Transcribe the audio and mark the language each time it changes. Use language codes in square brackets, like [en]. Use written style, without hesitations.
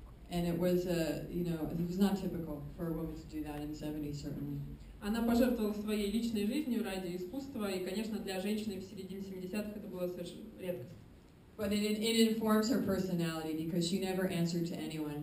[en] And it was, you know, it was not typical for a woman to do that in the 70s, certainly. [ru] Она пожертвовала своей личной жизнью ради искусства, и, конечно, для женщины в середине 70-х это было совершенно редкость. [en] But it informs her personality, because she never answered to anyone.